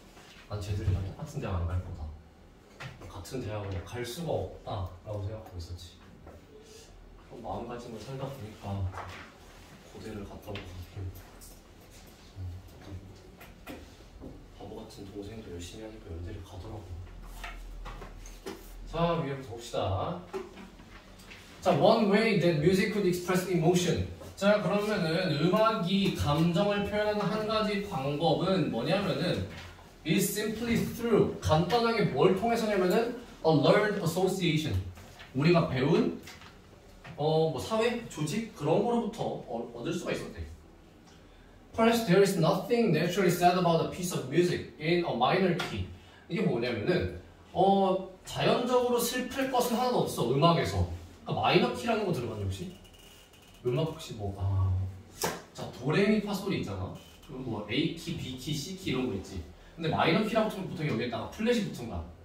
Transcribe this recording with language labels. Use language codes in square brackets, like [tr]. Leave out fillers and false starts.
[ko] 난 쟤들이랑 똑같은 대학 안 갈 거다. 같은 대학을 갈 수가 없다라고 생각하고 있었지. 그런 마음가짐을 살다 보니까 고대를 갔다 오고 같은 동생도 열심히 하니까 연대를 가더라고. 자, 위에부터 봅시다. [en] 자, one way that music could express emotion. [ko] 자, 그러면은 음악이 감정을 표현하는 한 가지 방법은 뭐냐면은 [en] is simply through. [ko] 간단하게 뭘 통해서냐면은 [en] a learned association. [ko] 우리가 배운 뭐 사회, 조직 그런 거로부터 얻을 수가 있었대. [en] Perhaps there is nothing naturally said about a piece of music in a minor key. [ko] 이게 뭐냐면은 자연적으로 슬플 것은 하나도 없어 음악에서. 그러니까 마이너 키라는 거 들어봤니 혹시? 음악 혹시 뭐 자 도레미파 소리 있잖아. 그리고 뭐 A 키, B 키, C 키 이런 거 있지. 근데 마이너 키라고 하면 보통 여기에다가 플랫이 붙은 거야.